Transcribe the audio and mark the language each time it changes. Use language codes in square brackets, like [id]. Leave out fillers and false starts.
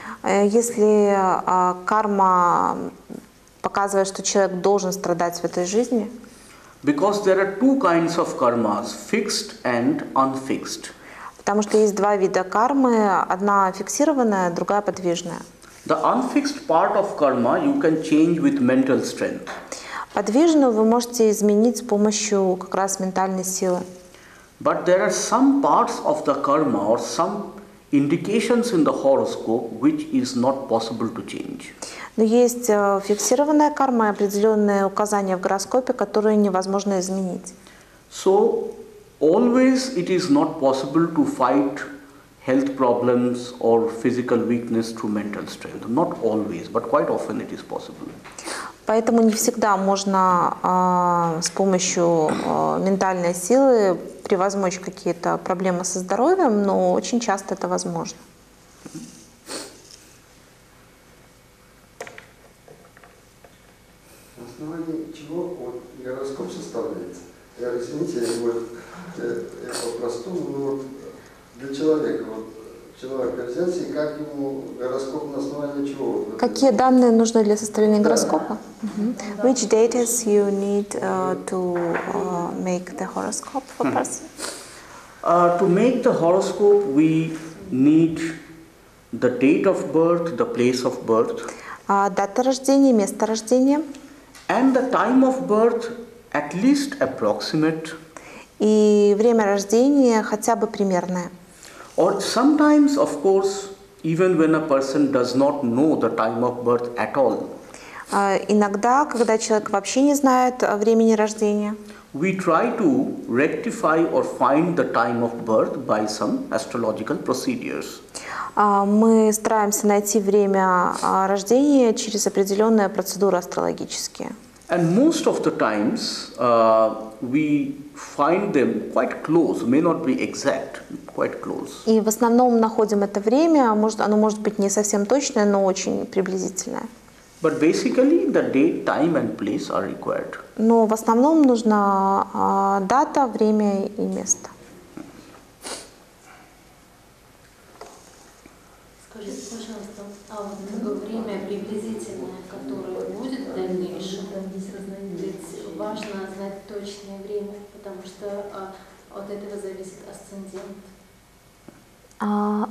[ru] Если карма показывает, что человек должен страдать в этой жизни. [en] Because there are two kinds of karmas, fixed and unfixed. [ru] Потому что есть два вида кармы, одна фиксированная, другая подвижная. [en] The unfixed part of karma you can change with mental strength. [ru] Подвижную вы можете изменить с помощью как раз ментальной силы. [en] But there are some parts of the karma or some indications in the horoscope which is not possible to change. [ru] Но есть фиксированная карма и определенные указания в гороскопе, которые невозможно изменить. [en] So always it is not possible to fight health problems or physical weakness through mental strength. Not always, but quite often it is possible. [ru] Поэтому не всегда можно с помощью ментальной силы превозмочь какие-то проблемы со здоровьем, но очень часто это возможно. На основании чего вот гороскоп составляется? Я, извините, я по-простому, но вот для человека, вот человека взять, и как ему гороскоп, на основании чего? Вот, какие данные нужны для составления гороскопа? Mm-hmm. [en] Which data you need to make the horoscope for person? To make the horoscope, we need the date of birth, the place of birth. [ru] Дата рождения, место рождения. [en] And the time of birth, at least approximate. [ru] И время рождения хотя бы примерное. [en] Or sometimes, of course, even when a person does not know the time of birth at all. [ru] Иногда, когда человек вообще не знает о времени рождения, [en] we try to rectify or find the time of birth by some astrological procedures. [ru] Мы стараемся найти время рождения через определенные процедуры астрологические. [en] And most of the times we find them quite close, may not be exact, quite close. [ru] И в основном находим это время, оно может быть не совсем точное, но очень приблизительное. [en] But basically, the date, time, and place are required. [ru] Но в основном нужна дата, время и место. Скажите, пожалуйста, а вот такое время приблизительное, которое будет в дальнейшем, ведь важно знать точное время, потому что от этого зависит асцендент.